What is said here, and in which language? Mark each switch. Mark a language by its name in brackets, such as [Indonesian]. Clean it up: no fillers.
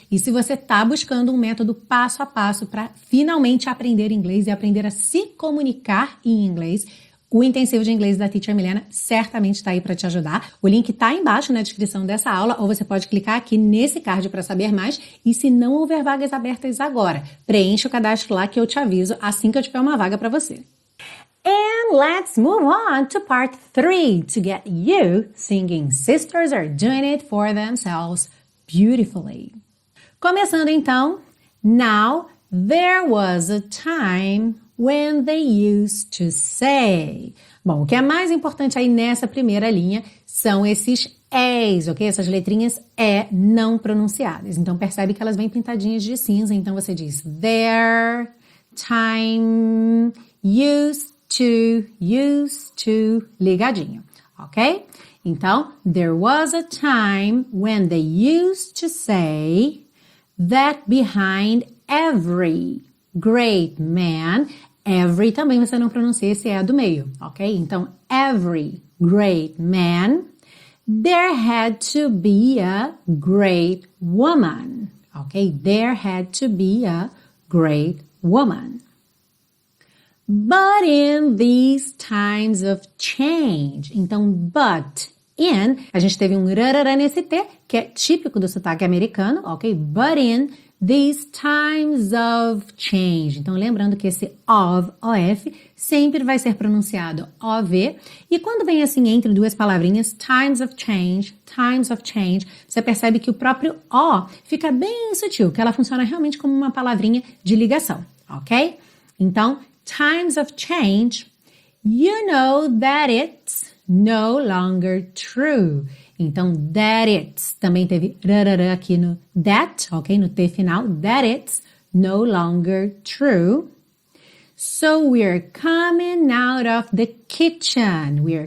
[Portuguese] E se você está buscando um método passo a passo para finalmente aprender inglês e aprender a se comunicar em inglês, o Intensivo de Inglês da Teacher Milena certamente está aí para te ajudar. O link está embaixo na descrição dessa aula, ou você pode clicar aqui nesse card para saber mais. E se não houver vagas abertas agora, preencha o cadastro lá que eu te aviso assim que eu tiver uma vaga para você. [English] And let's move on to part 3 to get you singing Sisters Are Doing It For Themselves Beautifully. [Portuguese] Começando então, [English] now there was a time when they used to say. [Portuguese] Bom, o que é mais importante aí nessa primeira linha são esses E's, ok? Essas letrinhas E não pronunciadas. Então, percebe que elas vêm pintadinhas de cinza. Então, você diz [English] their time used to, [Portuguese] ligadinho, ok? [English] Então, there was a time when they used to say that behind every great man. Every também você não pronuncia esse E do meio, ok? Então, every great man, there had to be a great woman, ok? There had to be a great woman. But in these times of change, [Portuguese] então, but in, a gente teve um rarará nesse T, que é típico do sotaque americano, ok? [English] But in these times of change. [Portuguese] Então, lembrando que esse of, OF, sempre vai ser pronunciado OV. E quando vem assim entre duas palavrinhas, [English] times of change, [Portuguese] você percebe que o próprio O fica bem sutil, que ela funciona realmente como uma palavrinha de ligação, ok? [English] Então, times of change, you know that it's no longer true. [Portuguese] Então, that it's, também teve rarará aqui no that, ok? No T final, [English] that it's no longer true. So, we're coming out of the kitchen.